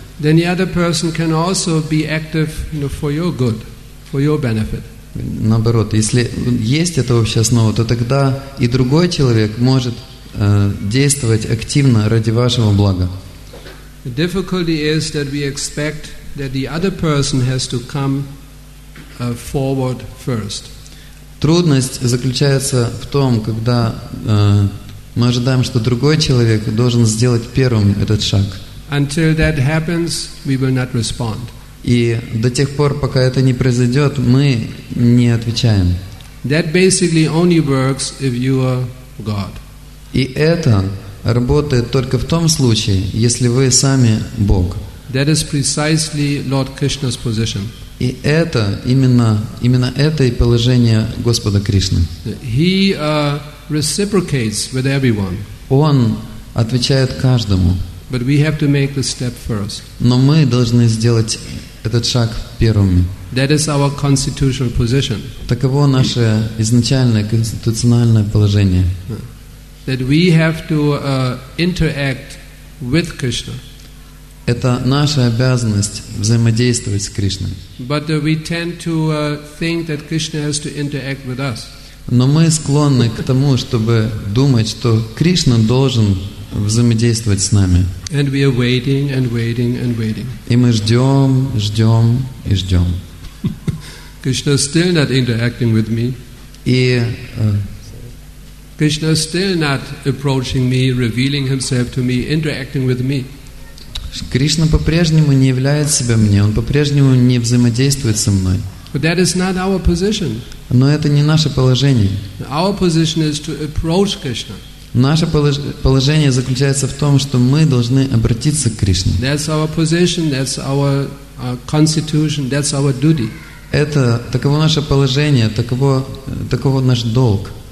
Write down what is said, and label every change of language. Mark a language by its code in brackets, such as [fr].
[en] then the other person can also be active, you know, for your good, for your benefit. [ru] Наоборот, если есть эта общая основа, то тогда и другой человек может действовать активно ради вашего блага. [en] The difficulty is that we expect that the other person has to come forward first. [ru] Трудность заключается в том, когда мы ожидаем, что другой человек должен сделать первым этот шаг. [en] Until that happens, we will not respond. [ru] И до тех пор, пока это не произойдет, мы не отвечаем. [en] That basically only works if you are God. [ru] И это работает только в том случае, если вы сами Бог. [en] That is precisely Lord Krishna's position. [ru] И это именно это и положение Господа Кришны. [en] He reciprocates with everyone. [ru] Он отвечает каждому. [en] But we have to make the step first. [ru] Но мы должны сделать этот шаг первыми. [en] That is our constitutional position. [ru] Таково наше изначальное конституциональное положение. [en] That we have to interact with Krishna. [ru] Это наша обязанность взаимодействовать с Кришной. [en] But we tend to think that Krishna has to interact with us. [ru] Но мы склонны к тому, чтобы думать, что Кришна должен взаимодействовать с нами. [en] And we are waiting and waiting and waiting. [ru] И мы ждем, ждем и ждем. [en] Krishna is still not interacting with me. [ru] И [en] Krishna is still not approaching me, revealing himself to me, interacting with me. [ru] Кришна по-прежнему не являет себя мне, он по-прежнему не взаимодействует со мной. [en] But that is not our position. [ru] Но это не наше положение. [en] Our position is to approach Krishna. [ru] Наше положение заключается в том, что мы должны обратиться к Кришне. [en] That's our position, that's our constitution, that's our duty. [ru] Это таково наше положение, таково наш долг.